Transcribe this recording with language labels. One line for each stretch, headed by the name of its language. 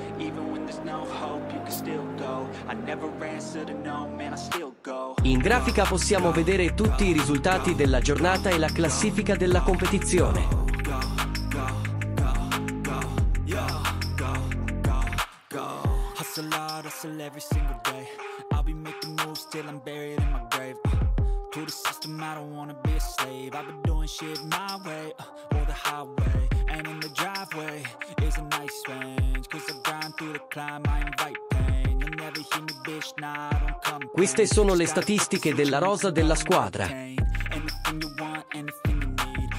English: Even when there's no hope, you can still go. I never answer to no, man, I still go.
Italian: In grafica possiamo vedere tutti i risultati della giornata e la classifica della competizione.
English: Hustle hard, hustle every single day. I'll be making moves till I'm buried in my grave. To the system, I don't wanna be a slave. I've been doing shit my way, or the highway. And in the driveway is a nice range. Cause I grind through the climb, I invite pain. You'll never hear me, bitch, nah, I don't complain.
Italian: Queste sono le statistiche della rosa della squadra.
English: Anything you want, anything you need.